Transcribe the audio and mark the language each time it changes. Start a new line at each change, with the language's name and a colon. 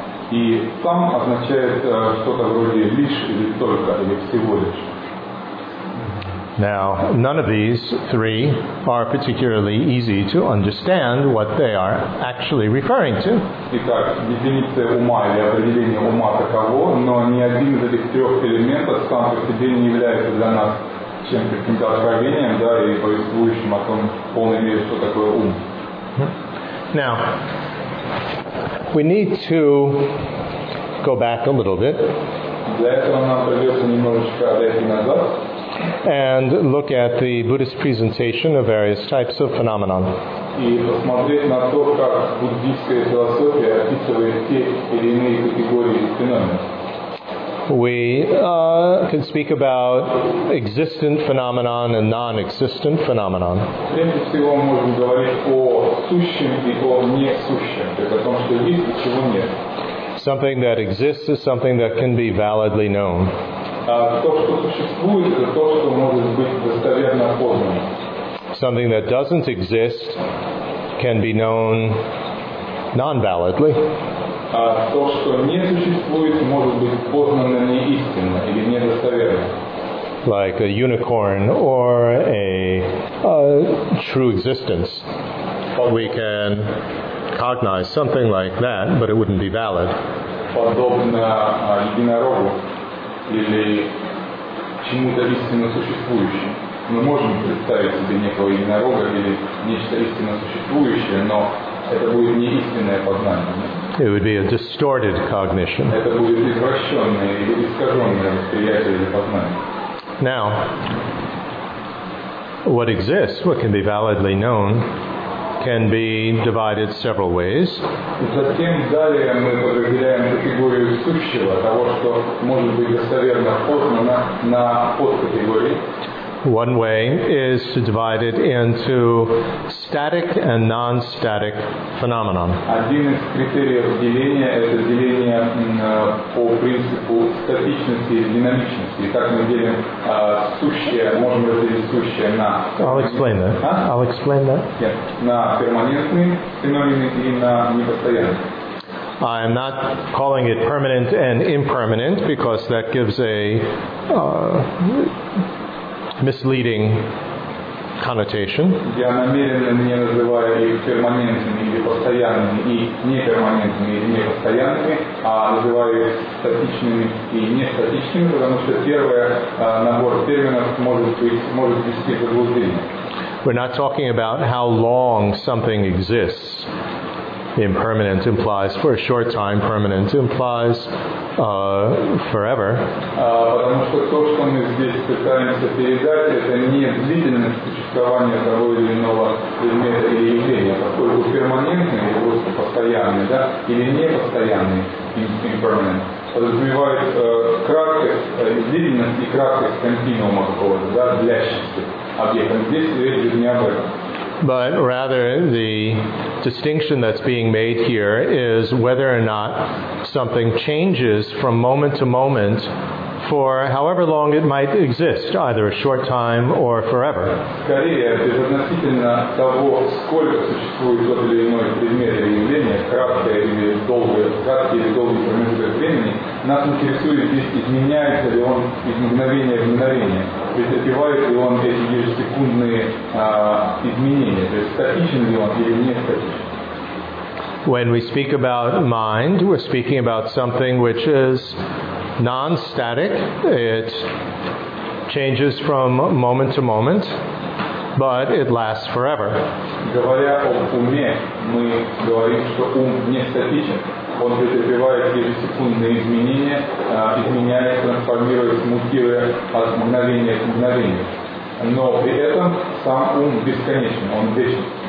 Russian: И сам означает что-то вроде лишь или только, или всего лишь.
English: Now, none of these three are particularly easy to understand what they are actually referring to.
Russian: Итак, дефиниция ума или определение ума таково, но ни один из этих трех элементов сам по себе не является для нас чем каким-то откровением, да, и повествующим о том, в полной мере, что такое ум.
English: Now, we need to go back a little bit.
Russian: Для этого нам придется немножечко отойти назад.
English: And look at the Buddhist presentation of various types of phenomena.
Russian: И посмотреть на то, как буддийская философия описывает те или иные категории феномена.
English: We can speak about existent phenomenon and non-existent phenomenon.
Russian: Прежде всего, мы можем говорить о сущем и о несущем, то есть о том, что есть и чего нет.
English: Something that exists is something that can be validly known.
Russian: То, что существует, это то, что может быть достоверно познано.
English: Something that doesn't exist can be known non-validly.
Russian: То, что не существует, может быть познано неистинно или недостоверно.
English: Like a unicorn or a true existence. We can cognize something like that, but it wouldn't be valid.
Russian: Подобно единорогу или чему-то истинно существующему. Мы можем представить себе некого единорога или нечто истинно существующее, но это будет неистинное познание.
English: It would be a distorted cognition.
Russian: Это будет извращенное или искаженное восприятие или познание.
English: Now, what exists, what can be validly known, can be divided several ways.
Russian: И затем далее мы подразделяем категорию сущего, того, что может быть достоверно познано, на подкатегории.
English: One way is to divide it into static and non-static phenomena.
Russian: Один из критериев деления – это деление по принципу статичности и динамичности. Итак, мы делим сущее, можем разделить сущее на…
English: I'll explain that. Yes.
Russian: На перманентные феномены и на непостоянные.
English: I am not calling it permanent and impermanent because that gives a… misleading connotation.
Russian: Я намеренно не называю их перманентными или постоянными и неперманентными или непостоянными, а называю их статичными и нестатичными, потому что первое набор терминов может вести к заблуждению.
English: We're not talking about how long something exists. Impermanent implies for a short time, permanent implies forever.
Russian: Потому что то, что мы здесь пытаемся передать, это не длительность существования того или иного предмета или явления, поскольку перманентный или просто постоянный, да, или непостоянный impermanent подразумевает краткость, длительность и краткость континуума какого-то, да, длящегося объекта. Здесь речь идет не об этом.
English: But rather, the distinction that's being made here is whether or not something changes from moment to moment for however long it might exist, either a short time or forever.
Russian: Скорее, безотносительно того, сколько существует тот или иной предмет или явление, краткий или долгий промежуток времени, нас интересует, изменяется ли он из мгновения в мгновение, претерпевает ли он эти ежесекундные изменения, то есть статичен ли он или не статичен.
English: When we speak about mind, we're speaking about something which is non-static. It changes from moment to moment, but it lasts forever.
Russian: Говоря о уме, мы говорим, что ум не статичен. Он претерпевает ежесекундные изменения, изменяется, трансформируется, мутируя от мгновения к мгновению. Но при этом сам ум бесконечен, он вечен.